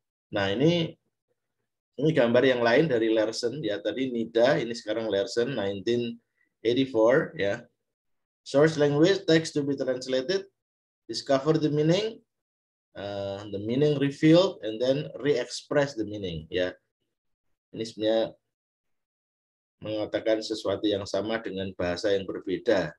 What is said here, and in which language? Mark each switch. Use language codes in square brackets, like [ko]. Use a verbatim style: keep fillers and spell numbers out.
[id] Nah ini ini gambar yang lain dari Larson ya, tadi Nida, ini sekarang Larson [en] nineteen eighty-four [id] ya. [en] Source language text to be translated, discover the meaning, uh, the meaning revealed, and then re-express the meaning. [id] Ya, ini sebenarnya mengatakan sesuatu yang sama dengan bahasa yang berbeda.